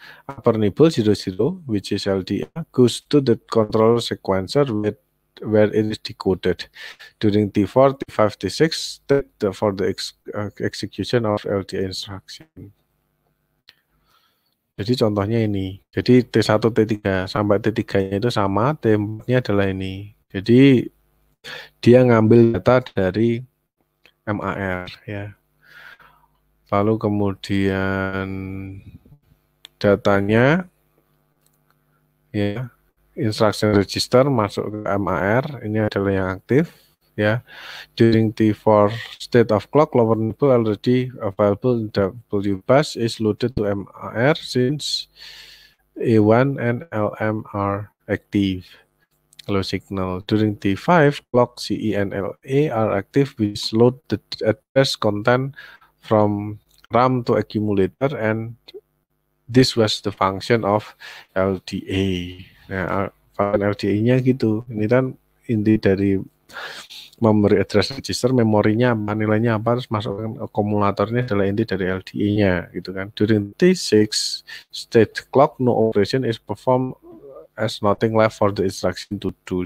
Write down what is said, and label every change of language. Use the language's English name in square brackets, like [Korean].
[English] Upper nibble 00, which is LDA, goes to the control sequencer where it is decoded. During T4, T5, T6, for the execution of LDA instruction. [Indonesian] Jadi contohnya ini. Jadi T1, T3 sampai T3-nya itu sama. T4-nya adalah ini. Jadi dia ngambil data dari MAR ya. Lalu kemudian datanya ya, instruction register masuk ke MAR, ini adalah yang aktif ya. [English] During T4 state of clock, lower nibble already available in WBUS is loaded to MAR since A1 and LM are active. Low signal. During T5, clock CE and LA are active, which load the address content from RAM to accumulator, and this was the function of LDA. [Indonesian] Nah, LDA-nya gitu. Ini kan inti dari memory address register, memorinya apa, nilainya apa, harus masukkan akumulatornya adalah inti dari LDA-nya, gitu kan. [English] During T6, state clock, no operation is performed as nothing left for the instruction to do.